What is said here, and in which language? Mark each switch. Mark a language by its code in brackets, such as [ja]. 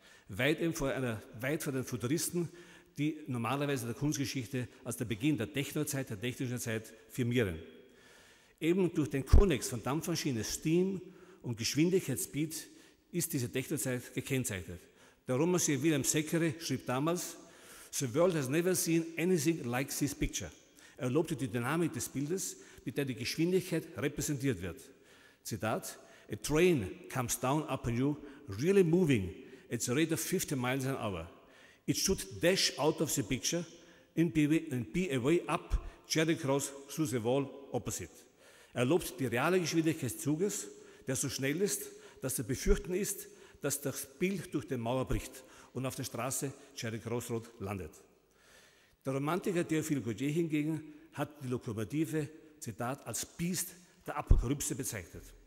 [de] Weit vor den Futuristen, die normalerweise der Kunstgeschichte als der Beginn der Technozeit, der technischen Zeit firmieren. Eben durch den Konnex von Dampfmaschine, Steam und Geschwindigkeit, Speed, ist diese Technozeit gekennzeichnet. Der Romancier William Zachary schrieb damals, [en] "The world has never seen anything like this picture." [de] Er lobte die Dynamik des Bildes, mit der die Geschwindigkeit repräsentiert wird. [en] Zitat, "A train comes down upon you, really moving at the rate of 50 miles an hour. It should dash out of the picture and be a way up Charing Cross through the wall opposite." [de] Er lobt die reale Geschwindigkeit des Zuges, der so schnell ist, dass zu befürchten ist, dass das Bild durch die Mauer bricht und auf der Straße Charing Cross Road landet. Der Romantiker Théophile Gautier hingegen hat die Lokomotive, Zitat, als Biest der Apokalypse bezeichnet.